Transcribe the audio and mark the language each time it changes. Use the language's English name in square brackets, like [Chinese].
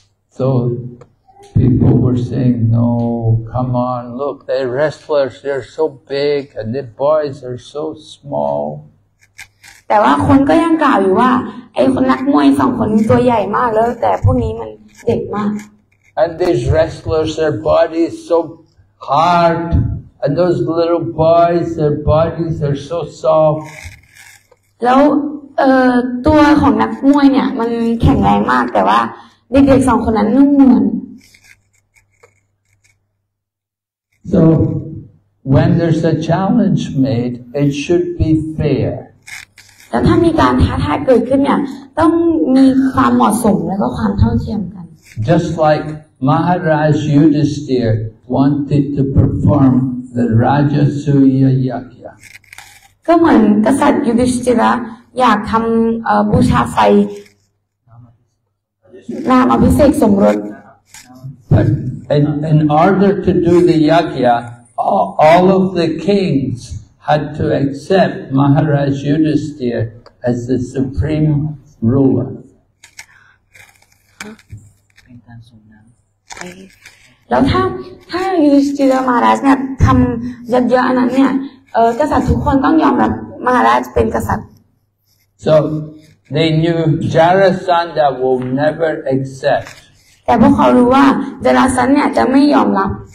[English] So people were saying, no, come on, look, they're wrestlers, they're so big and the boys are so small. [Thai] แต่ว่าคนก็ยังกล่าวอยู่ว่าไอ้คนนักมวยสองคนตัวใหญ่มากแล้วแต่พวกนี้มันเด็กมาก [English] And these wrestlers, their body is so hard, and those little boys, their bodies are so soft. [Thai] แล้วตัวของนักมวยเนี่ยมันแข็งแรงมากแต่ว่าเด็กๆสองคนนั้นนุ่มนวล [English] So when there's a challenge made, it should be fair. [Thai] แล้วถ้ามีการท้าทายเกิดขึ้นเนี่ยต้องมีความเหมาะสมและก็ความเท่าเทียมกัน [English] Just like Maharaj Yudhisthira wanted to perform the Rajasuya Yagya [Thai] ก็เหมือนกษัตริย์ยุธิสถิรอยากทำบูชาไฟนามอภิเษกสมรส [English] But in order to do the Yagya all of the kingsHad to accept Maharaj Yudhisthira as the supreme ruler. [Thai] แล้วถ้ายุทธิสถิรมหาราชเนี่ยทำเยอะๆอันนั้นเนี่ยกษัตริย์ทุกคนต้องยอมรับมหาราชเป็นกษัตริย์ [English] So they knew Jarasandha will never accept. [Thai] แต่พวกเขารู้ว่าจาราสันเนี่ยจะไม่ยอมรับ